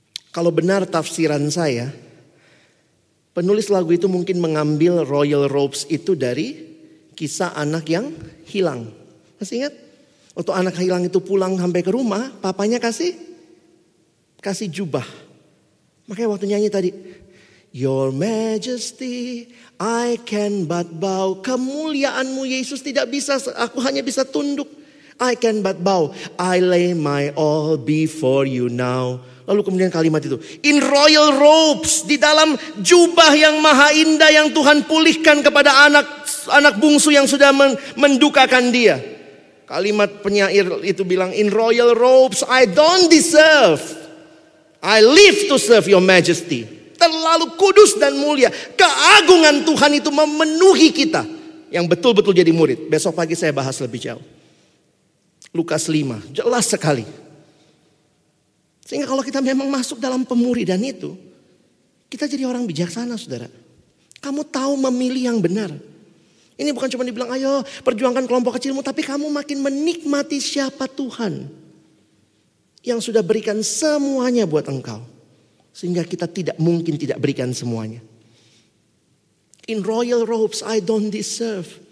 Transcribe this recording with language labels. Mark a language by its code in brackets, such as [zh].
[id] Kalau benar tafsiran saya, penulis lagu itu mungkin mengambil royal robes itu dari kisah anak yang hilang. Masih ingat? Waktu anak hilang itu pulang sampai ke rumah, papanya kasih jubah. Makanya waktu nyanyi tadi, [en] Your Majesty, I can but bow. [id] Kemuliaanmu Yesus tidak bisa, aku hanya bisa tunduk. [en] I can but bow, I lay my all before you now. [id] Lalu kemudian kalimat itu, [en] in royal robes, [id] di dalam jubah yang maha indah yang Tuhan pulihkan kepada anak bungsu yang sudah mendukakan dia. Kalimat penyair itu bilang, [en] in royal robes, I don't deserve, I live to serve your majesty. [id] Terlalu kudus dan mulia, keagungan Tuhan itu memenuhi kita yang betul-betul jadi murid. Besok pagi saya bahas lebih jauh. Lukas 5, jelas sekali. Sehingga kalau kita memang masuk dalam pemuridan itu, kita jadi orang bijaksana, saudara. Kamu tahu memilih yang benar. Ini bukan cuma dibilang, ayo perjuangkan kelompok kecilmu, tapi kamu makin menikmati siapa Tuhan yang sudah berikan semuanya buat engkau. Sehingga kita tidak mungkin tidak berikan semuanya. [en] In royal robes, I don't deserve.